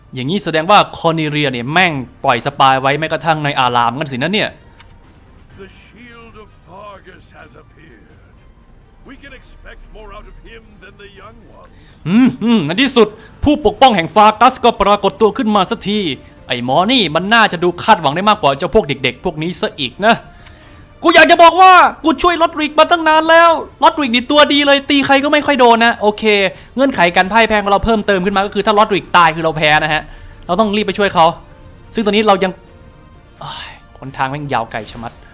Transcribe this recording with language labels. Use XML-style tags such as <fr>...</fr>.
<th>อย่างนี้แสดงว่าคอร์เนเลียเนี่ยแม่งปล่อยสปายไว้แม้กระทั่งในอารามกันสินะเนี่ย</th> <en>The shield of Fargus has appeared. We can expect more out of him than the young ones.</en> <th>ในที่สุดผู้ปกป้องแห่งฟากัสก็ปรากฏตัวขึ้นมาสักทีไอ้หมอนี่มันน่าจะดูคาดหวังได้มากกว่าเจ้าพวกเด็กๆพวกนี้ซะอีกนะกูอยากจะบอกว่ากูช่วยลอตริกมาตั้งนานแล้วลอตริกนี่ตัวดีเลยตีใครก็ไม่ค่อยโดนนะโอเคเงื่อนไขการพ่ายแพ้ของเราเพิ่มเติมขึ้นมาก็คือถ้าลอตริกตายคือเราแพ้นะฮะเราต้องรีบไปช่วยเขาซึ่งตอนนี้เรายังคนทางแม่งยาวไกลชะมัด</th>